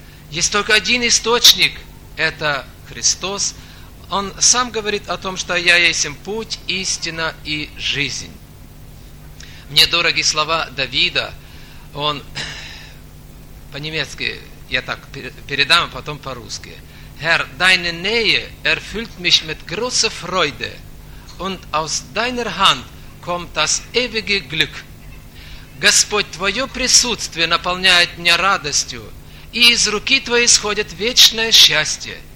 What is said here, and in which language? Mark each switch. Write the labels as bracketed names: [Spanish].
[Russian] Есть только один источник, это Христос. Он сам говорит о том, что «Я есмь путь, истина и жизнь». Мне дороги слова Давида, он по-немецки, я так передам, а потом по-русски. [German] «Herr, deine Nähe erfüllt mich mit großer Freude, und aus deiner Hand kommt das ewige Glück». [Russian] «Господь, Твое присутствие наполняет меня радостью, и из руки Твоей исходит вечное счастье».